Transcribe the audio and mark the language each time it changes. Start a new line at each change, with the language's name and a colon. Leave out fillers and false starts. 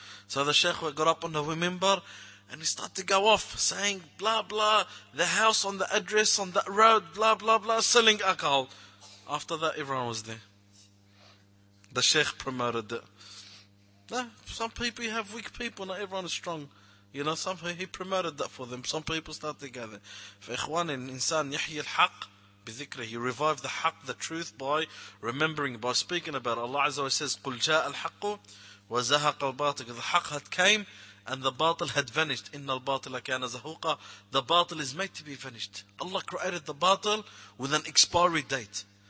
English: So the sheikh got up on the minbar and he started to go off saying, blah, blah, the house on the address on that road, blah, blah, blah, selling alcohol. After that, everyone was there. The sheikh promoted it. Some people, you have weak people, not everyone is strong. You know, he promoted that for them. Some people start together.
Arabic: فإخوان الإنسان يحيي الحق بذكره.
English: You revive the haq, the truth, by remembering, by speaking about it. Allah Azza wa Jalla says,
Arabic: قُلْ جَاءَ الْحَقُّ وَزَهَقَ الْبَاطِلُ.
English: The haq had came and the batil had vanished.
Arabic: إِنَّ الْبَاطِلَ كَانَ زَهُوقًا.
English: The batil is made to be vanished. Allah created the batil with an expiry date.